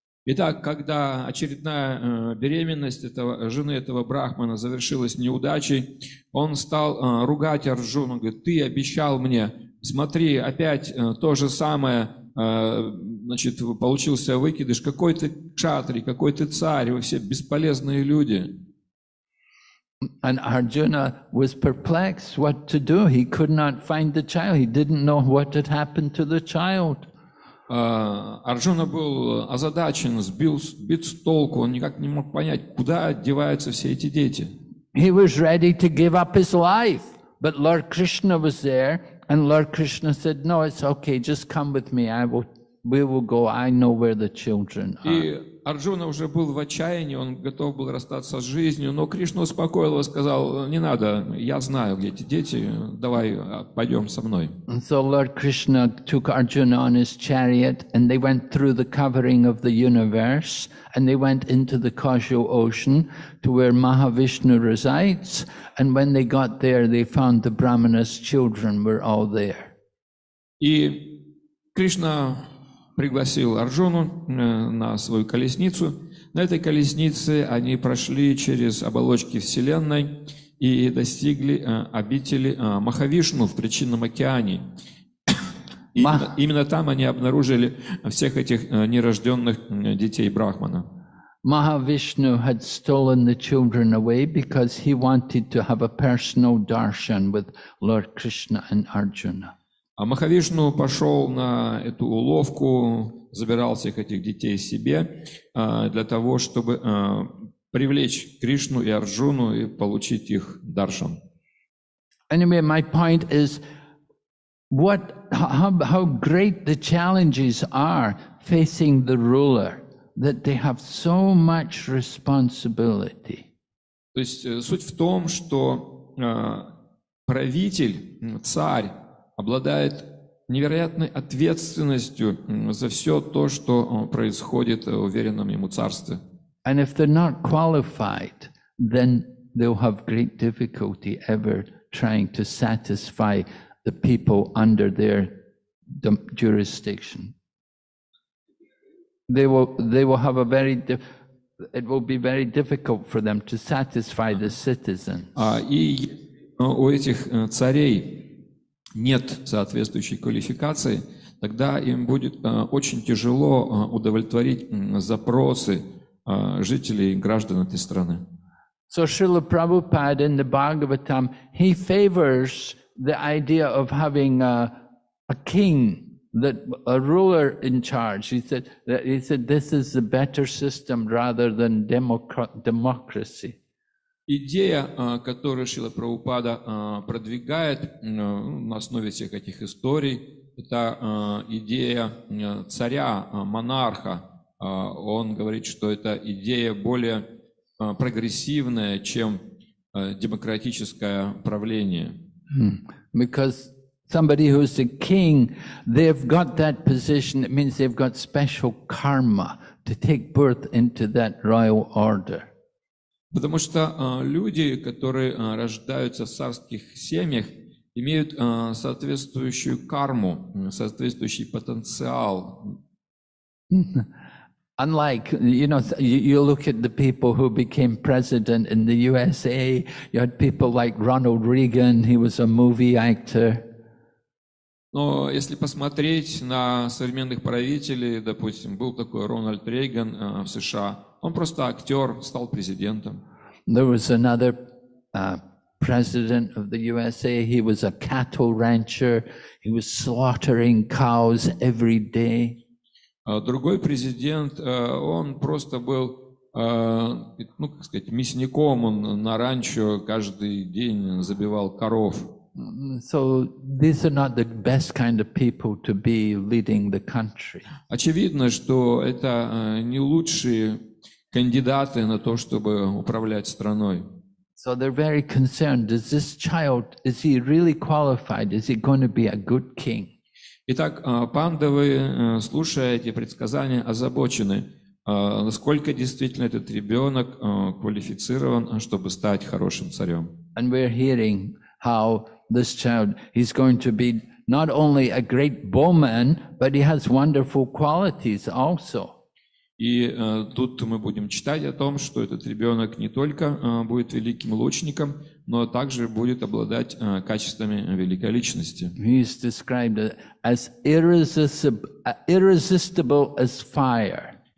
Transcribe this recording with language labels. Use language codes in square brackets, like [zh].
[ru] Итак, когда очередная беременность жены этого брахмана завершилась неудачей, он стал ругать Арджуну, говорит, ты обещал мне, смотри, опять то же самое, значит, получился выкидыш, какой ты кшатри, какой ты царь, вы все бесполезные люди. [en] And Arjuna was perplexed what to do, he could not find the child, he didn't know what had happened to the child. [ru] Арджуна был озадачен, сбит с толку, он никак не мог понять, куда деваются все эти дети. [en] He was ready to give up his life, but Lord Krishna was there, and Lord Krishna said, no, it's okay, just come with me, we will go, I know where the children are. [ru] И Арджуна уже был в отчаянии, он готов был расстаться с жизнью, но Кришна успокоил его, сказал, не надо, я знаю, где эти дети, давай пойдем со мной. [en] And so Lord Krishna took Arjuna on his chariot, and they went through the covering of the universe, and they went into the causal ocean, to where Mahavishnu resides, and when they got there, they found the brahmana's children were all there. [ru] И Кришна пригласил Арджуну на свою колесницу. На этой колеснице они прошли через оболочки Вселенной и достигли обители Махавишну в Причинном океане. Именно там они обнаружили всех этих нерожденных детей брахмана. [en] Махавишну had stolen the children away because he wanted to have a personal darshan with Lord Krishna and Arjuna. [ru] А Махавишну пошел на эту уловку, забирал всех этих детей себе для того, чтобы привлечь Кришну и Арджуну и получить их даршан. [en] Anyway, my point is, how great the challenges are facing the ruler. that they have so much responsibility. [ru] То есть суть в том, что правитель, царь, обладает невероятной ответственностью за все то, что происходит в уверенном ему царстве. [en] And if they're not qualified, then they'll have great difficulty ever trying to satisfy the people under their jurisdiction. They will have a very it will be very difficult for them to satisfy the citizens. [ru] И у этих царей нет соответствующей квалификации, тогда им будет очень тяжело удовлетворить запросы жителей и граждан этой страны. [en] So Srila Prabhupada in the Bhagavatam, he favors the idea of having a king, that a ruler in charge. He said this is a better system rather than democracy. [ru] Идея, которую Шрила Прабхупада продвигает на основе всех этих историй, это идея царя, монарха. Он говорит, что это идея более прогрессивная, чем демократическое правление. [en] Because somebody who's a king, they've got that position, it means they've got special karma to take birth into that royal order. [ru] Потому что люди, которые рождаются в царских семьях, имеют соответствующую карму, соответствующий потенциал. [en] Unlike, you know, you look at the people who became president in the USA, you had people like Ronald Reagan, he was a movie actor. [ru] Но если посмотреть на современных правителей, допустим, был такой Рональд Рейган в США, он просто актер, стал президентом. [en] There was another president of the USA, he was a cattle rancher, he was slaughtering cows every day. [ru] Другой президент, он просто был, ну, как сказать, мясником, он на ранчо каждый день забивал коров. [en] So these are not the best kind of people to be leading the country. [ru] Очевидно, что это не лучшие кандидаты на то, чтобы управлять страной. [en] So they're very concerned. Is this child, is he really qualified? Is he going to be a good king? [ru] Итак, пандавы, слушая эти предсказания, озабочены, насколько действительно этот ребенок квалифицирован, чтобы стать хорошим царем. [en] And we're hearing how this child is going to be not only a great bowman, but he has wonderful qualities also. [ru] И тут мы будем читать о том, что этот ребенок не только будет великим лучником, но также будет обладать качествами великой личности. [en] He is described as irresistible as fire.